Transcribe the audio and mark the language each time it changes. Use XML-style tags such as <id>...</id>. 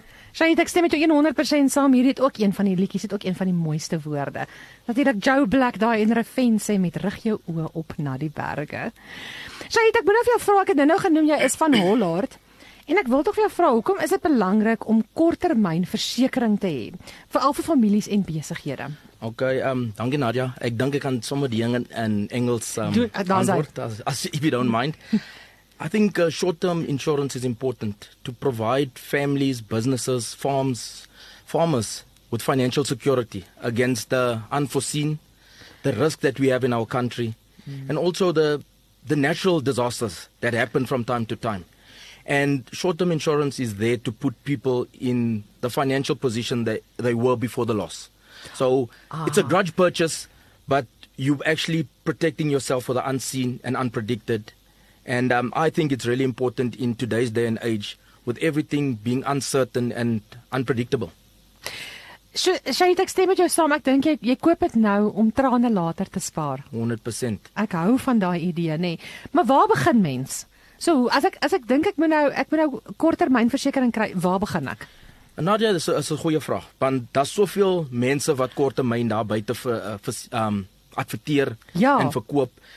<af>Shanita, ek stem met jou 100% saam, hierdie het ook een van die liedjies, het ook een van die mooiste woorde. Natuurlik Joe Black daar in Refrein sê met rig jou oë op na die berge. Shanita, ek moet nou vir jou vra, ek het nou genoem jy is van Hollard, en ek wil toch vir jou vra, hoekom is dit belangrik om korttermyn versekering te hê, veral vir families en besighede? Ok, dankie Nadia, ek dink ek kan sommer die dinge in Engels antwoord,</af> <en>as if you don't mind. I think short-term insurance is important to provide families, businesses, farmers with financial security against the unforeseen, the risk that we have in our country, and also the natural disasters that happen from time to time. And short-term insurance is there to put people in the financial position that they were before the loss. So it's a grudge purchase, but you're actually protecting yourself for the unseen and unpredicted. And I think it's really important in today's day and age with everything being uncertain and unpredictable.</en> <af>Shanita, ek stem met jou saam. Ek dink jy koop het nou om trane later te spaar. 100%. Ek hou van daai idee, nee. Maar waar begin mens? So, as ek dink ek moet nou korttermynversekering kry, waar begin ek? Nadia, dis is 'n goeie vraag. Want daar's soveel mense wat korttermyn daar buite adverteer en verkoop.</af>